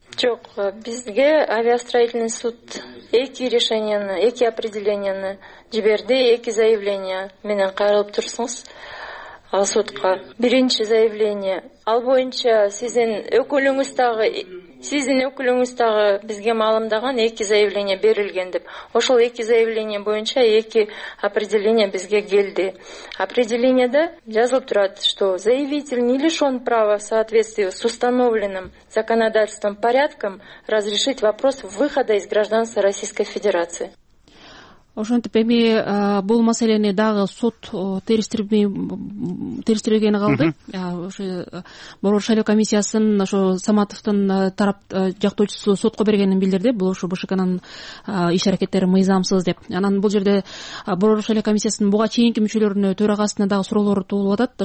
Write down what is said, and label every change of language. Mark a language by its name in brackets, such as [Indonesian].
[Kyrgyz] Жок, бизге авиастроительный суд 2 решенияны, 2 определенияны жиберди, 2 заявление менен кайрылып турсуңуз ал сотко. Биринчи заявление ал боюнча сиздин өкүлүңүз дагы бизге маалымдаган 2 заявление берилген деп. Ошол 2 заявление боюнча 2 определение бизге келди. Определенияда жазылып турат, [Russian] что заявитель не лишен права в соответствии с установленным законодательством порядком разрешить вопрос выхода из гражданства Российской Федерации. [Kyrgyz] Ошентип эми бул маселени дагы сот териштирбегени калды. Ошо Борбор шайлоо комиссиясынын ошо Саматовдун тарап жактоочусу сотко бергенин билдирди. Бул ошо БШКнын иш аракеттери мыйзамсыз деп. Анан бул жерде Борбор шайлоо комиссиясынын буга чейинки мүчөлөрүнө төрагасына дагы суроолор туулуп атат.